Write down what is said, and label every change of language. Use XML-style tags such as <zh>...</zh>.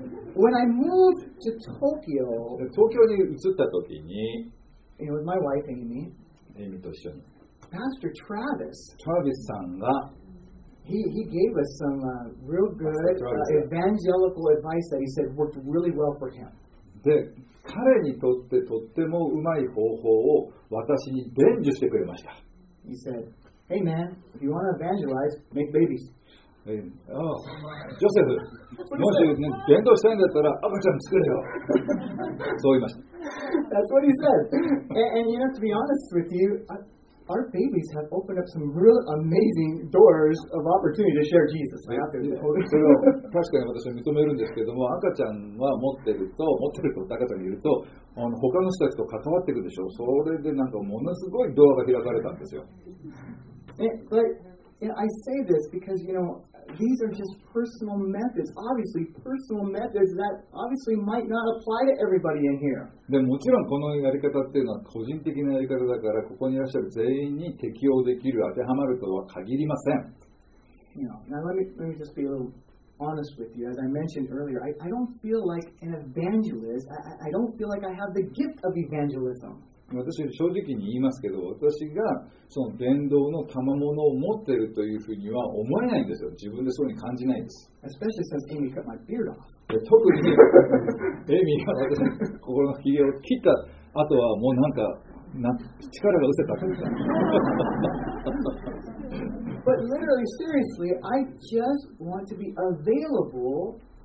<en>Well,When I moved to Tokyo,</en> <ja>東京に移った時に、</ja> <en>and with my wife Amy,</en> <ja>Amy と一緒に、</ja> <en>Pastor Travis,</en> <ja>Travis さんが、</ja> <en>he gave us some real good evangelical advice that he said worked really well for him.</en> <ja>で、彼にとってとってもうまい方法を私に伝授してくれました。</ja> <en>He said, "Hey man, if you want to evangelize, make babies."</en> <ja>ジョセフ、もし伝道したいんだったら赤ちゃん作れよ。そう言いました。</ja> <en>That's what he said. And you know, to be honest with you, our babies have opened up some real amazing doors of opportunity to share Jesus.</en> <ja>それは確かに私は認めるんですけども、赤ちゃんは持ってると、赤ちゃんにいると、他の人たちと関わっていくでしょう。それでなんかものすごいドアが開かれたんですよ。</ja> <en>But, you know, I say this because, you know, these are just personal methods. Obviously, personal methods that obviously might not apply to everybody in here.</en> <ja>でもちろんこのやり方っていうのは個人的なやり方だからここにいらっしゃる全員に適用できる当てはまるとは限りません。</ja> <en>You know, now let me just be a little honest with you. As I mentioned earlier, I don't feel like an evangelist. I don't feel like I have the gift of evangelism.</en> <ja>私正直に言いますけど、私がその伝道の賜物を持っているというふうには思えないんですよ。自分でそうに感じないです。 Especially since Amy cut my beard off. 特にエミーが私の心のひげを切った後はもうなんか力が失せたみたいな。</ja> <en>But literally, seriously, I just want to be available.</en>